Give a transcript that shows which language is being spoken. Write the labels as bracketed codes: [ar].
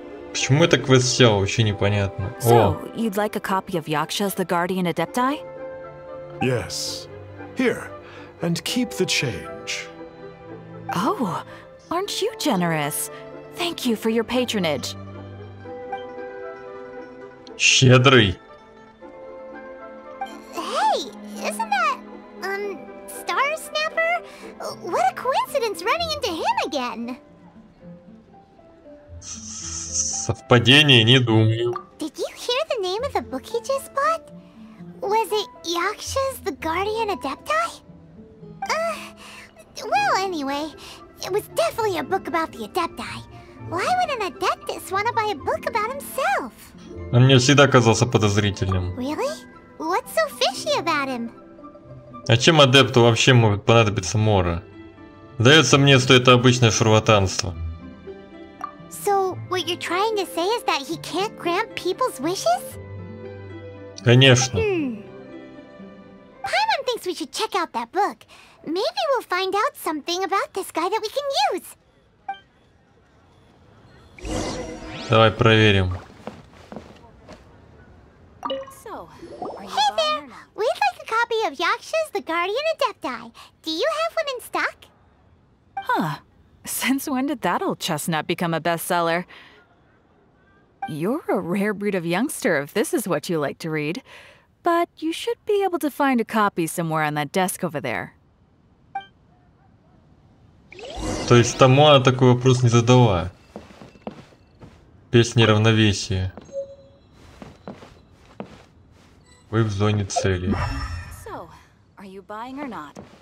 [ru] Почему это квест взял, вообще непонятно. [en] So, you'd like a copy of Yaksha's The Guardian Adepti? Yes. Here, and keep the change. Oh, aren't you generous? Thank you for your patronage. [ru] Щедрый. [en] Hey, isn't that, Star Snapper? What a coincidence running into him again! [ru] Совпадение, не думаю. [en] Did you hear the name of the book he just bought? Was it Yaksha's The Guardian Adepti? Well, anyway, it was definitely a book about the Adepti. Why would an Adeptus want to buy a book about himself? [ru] Он мне всегда казался подозрительным. [en] Really? What's so fishy about him? [ru] А чем Адепту вообще может понадобиться Мора? Сдается мне, что это обычное шарлатанство. [en] So, what you're trying to say is that he can't grant people's wishes? [ru] Конечно. [en] Paimon thinks we should check out that book. Maybe we'll find out something about this guy that we can use. [ru] Давай проверим. [en] Hey there! We'd like a copy of Yaksha's The Guardian Adepti. Do you have one in stock? Huh. Since when did that old chestnut become a bestseller? You're a rare breed of youngster if this is what you like to read. But you should be able to find a copy somewhere on that desk over there. [ru] То есть тому она такой вопрос не задала. Песня равновесия. Вы в зоне цели. [en] So, are you buying or not?